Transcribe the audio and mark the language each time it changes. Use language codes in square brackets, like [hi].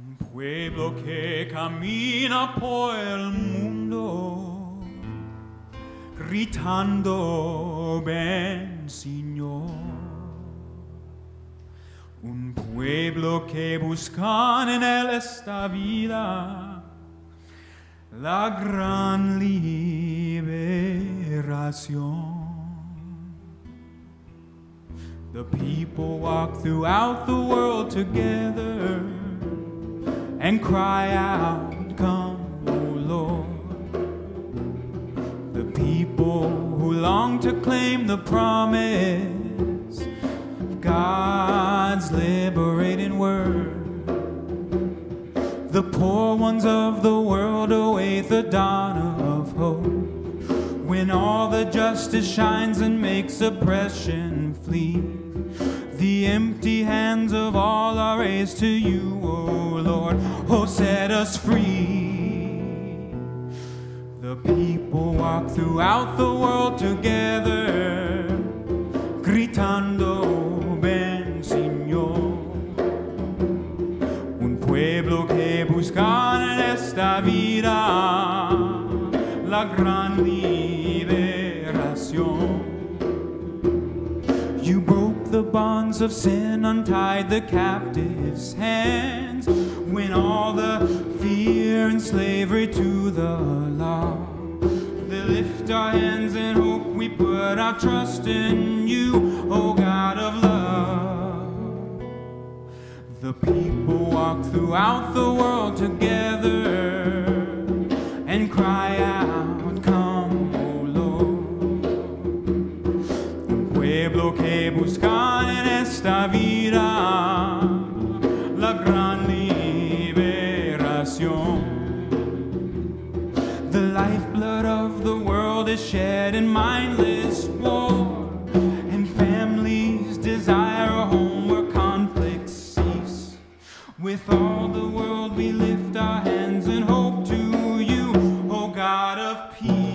[es] pueblo que camina por el mundo gritando ven Señor, un pueblo que busca en él esta vida la gran liberación. [en] The people walk throughout the world together and cry out, come, O Lord. The people who long to claim the promise of God's liberating word. The poor ones of the world await the dawn of hope, when all the justice shines and makes oppression flee. The empty hands of all are raised to you, O Lord. Oh, set us free. The people walk throughout the world together, [es] gritando, ven, Señor. Un pueblo que busca en esta vida la gran liberación. [en] You broke the bonds of sin, untied the captive's hands, when all the fear and slavery to the law. They lift our hands in hope, we put our trust in you, O God of love. The people walk throughout the world together and cry out, come, O Lord. [es] Pueblo que busca en esta vida la gran liberación. [en] The lifeblood of the world is shed in mindless war, and families desire a home where conflicts cease. With all the world we lift our hands in hope to you, O God of peace.